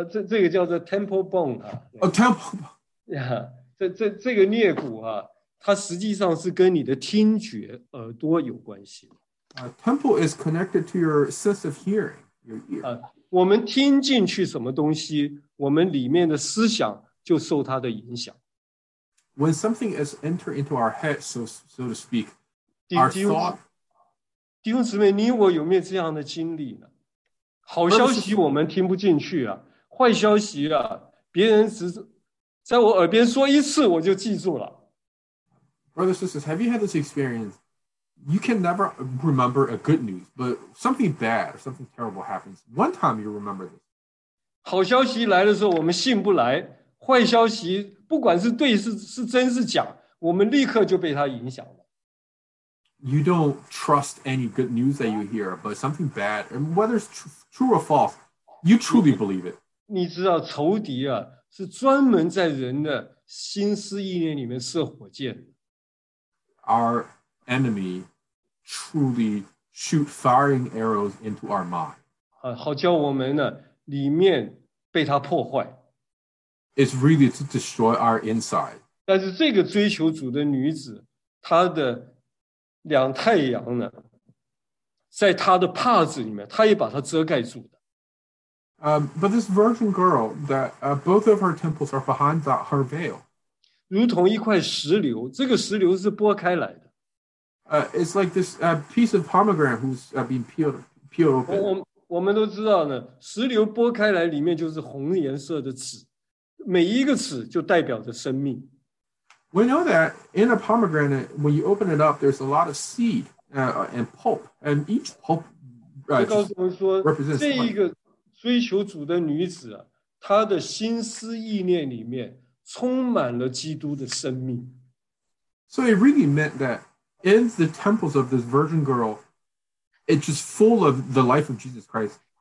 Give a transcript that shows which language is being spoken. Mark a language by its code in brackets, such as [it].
[zh] 这个叫做 temple bone 啊。 [en] A temple bone. [zh] Yeah, 这个颞骨啊, 它实际上是跟你的听觉耳朵有关系。 [en] Temple is connected to your sense of hearing, your ear. [zh] 我们听进去什么东西, 我们里面的思想就受它的影响。 [en] When something is entered into our head, so to speak, our thought. [zh] 弟兄姊妹, 你我有没有这样的经历呢?好消息我们听不进去啊。坏消息啊, 别人只在我耳边说一次, 我就记住了。 [en] Brothers and sisters, have you had this experience? You can never remember a good news, but something bad or something terrible happens. One time you remember this. [zh] 好消息来的时候, 我们信不来, 坏消息, 不管是对是真是假, 我们立刻就被它影响了。 [en] You don't trust any good news that you hear, but something bad, and whether it's true or false, you truly believe it. [zh] 你知道仇敌啊, 是专门在人的心思意念里面射火箭的。 [en] Our enemy truly shoot firing arrows into our mind. [zh] 好叫我们呢, 里面被他破坏。 [en] It's really to destroy our inside. [zh] 但是这个追求主的女子, 她的两太阳呢, 在她的帕子里面, 她也把它遮盖住的。 [en] But this virgin girl, that both of her temples are behind that, her veil. [zh] 如同一块石榴, 这个石榴是剥开来的。 [en] It's like this piece of pomegranate who's been peeled open. [zh] 我们都知道呢, 石榴剥开来里面就是红颜色的籽, 每一个籽就代表着生命。 [en] We know that in a pomegranate, when you open it up, there's a lot of seed and pulp, and each pulp represents life. [zh] 追求主的女子，她的心思意念里面充满了基督的生命。 [en] So it really meant that in the temples of this virgin girl, it's just full of the life of Jesus Christ.